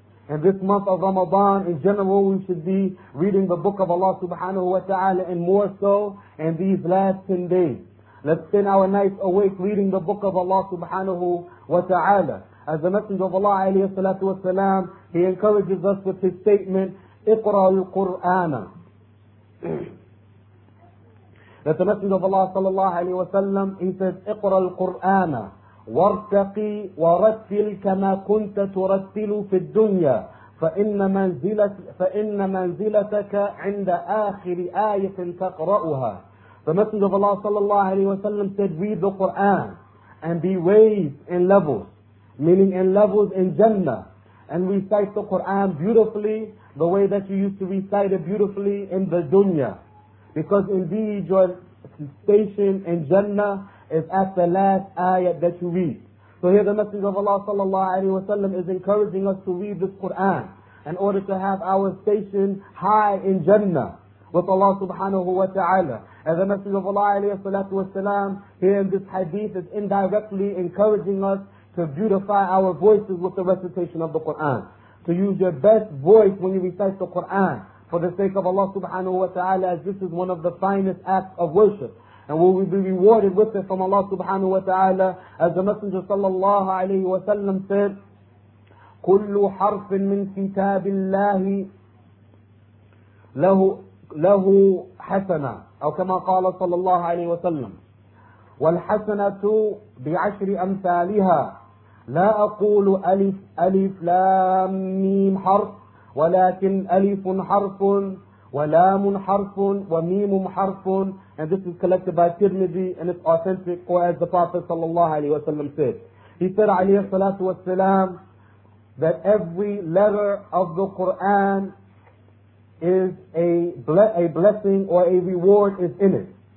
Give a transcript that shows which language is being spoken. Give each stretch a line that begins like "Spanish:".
English: And this month of Ramadan, in general, we should be reading the book of Allah subhanahu wa ta'ala, and more so in these last 10 days. Let's spend our nights awake reading the book of Allah subhanahu wa ta'ala. As the Messenger of Allah alayhi salatu wa salam, he encourages us with his statement,
Arabic: اقرأ القرآن.
English: That the Messenger of Allah sallallahu alayhi wa sallam, he says,
Arabic: اقرأ القرآن وارتقي ورتل كما كنت ترتل في الدنيا فإن منزلتك عند آخر آية تقرأها.
English: The Messenger of Allah sallallahu alayhi wa sallam said, read the Qur'an and be raised in levels, meaning in levels in Jannah, and recite the Qur'an beautifully the way that you used to recite it beautifully in the dunya. Because indeed your station in Jannah is at the last ayat that you read. So here the Messenger of Allah sallallahu alayhi wa sallam is encouraging us to read this Qur'an in order to have our station high in Jannah with Allah subhanahu wa ta'ala. And the Messenger of Allah alayhi salatu wa sallam here in this hadith is indirectly encouraging us to beautify our voices with the recitation of the Qur'an. To use your best voice when you recite the Qur'an for the sake of Allah subhanahu wa ta'ala, as this is one of the finest acts of worship. And will we be rewarded with it from Allah subhanahu wa ta'ala, as the Messenger sallallahu alayhi wa sallam said,
Arabic: كُلُّ حَرْفٍ مِّن كِتَابِ اللَّهِ لَهُ حَسَنًا. أو كما قال صلى الله عليه وسلم, وَالْحَسَنَةُ بِعَشْرِ أَمْثَالِهَا لَا أَقُولُ أَلِفْ أَلِفْ لَامْ مِّيمْ حَرْفٍ ولكن ألف حرف ولام حرف وميم حرف.
English: And this is collected by Tirmidhi and it's authentic, or as the Prophet sallallahu alayhi wa sallam said, He said, alayhi salatu wasalam, that every letter of the Quran is a blessing or a reward is in it.